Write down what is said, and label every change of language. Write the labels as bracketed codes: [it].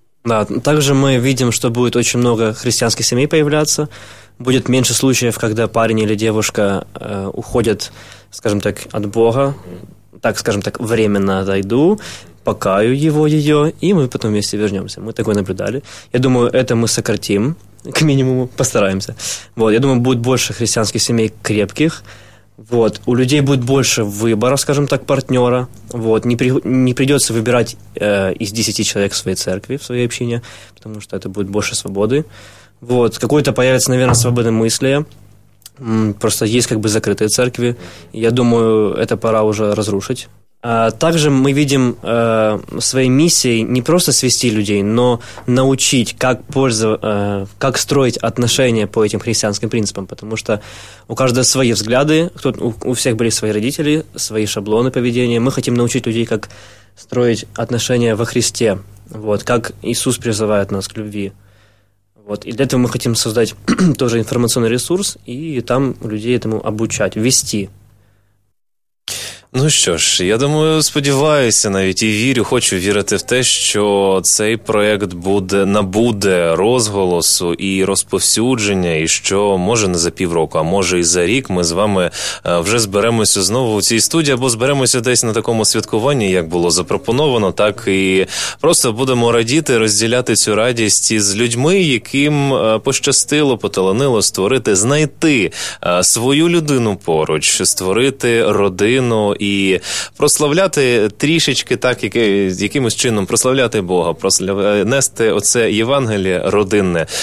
[uk] Да, також ми бачимо, що буде дуже багато християнських сімей з'являтися, буде менше випадків, коли парень або дівчина уходять, [ru] скажем так, от Бога, так, скажем так, временно отойду, покаю его, ее, и мы потом вместе вернемся. Мы такое наблюдали. Я думаю, это мы сократим, к минимуму постараемся. Вот, я думаю, будет больше христианских семей крепких, вот, у людей будет больше выбора, скажем так, партнера, вот, не придется выбирать из 10 человек в своей церкви, в своей общине, потому что это будет больше свободы. Вот, какое-то появится, наверное, свободное мыслие, просто есть как бы закрытые церкви. Я думаю, это пора уже разрушить. Также мы видим своей миссией не просто свести людей, но научить, как строить отношения по этим христианским принципам, потому что у каждого свои взгляды, у всех были свои родители, свои шаблоны поведения. Мы хотим научить людей, как строить отношения во Христе, вот, как Иисус призывает нас к любви. Вот. И для этого мы хотим создать тоже информационный ресурс и там людей этому обучать, вести. [uk] Ну що ж, я думаю, сподіваюся навіть і вірю, хочу вірити в те, що цей проєкт буде, набуде розголосу і розповсюдження, і що може не за півроку, а може і за рік ми з вами вже зберемося знову у цій студії, або зберемося десь на такому святкуванні, як було запропоновано, так і просто будемо радіти, розділяти цю радість із людьми, яким пощастило, поталанило створити, знайти свою людину поруч, створити родину і прославляти трішечки так, якимось чином прославляти Бога, нести оце Євангеліє родинне.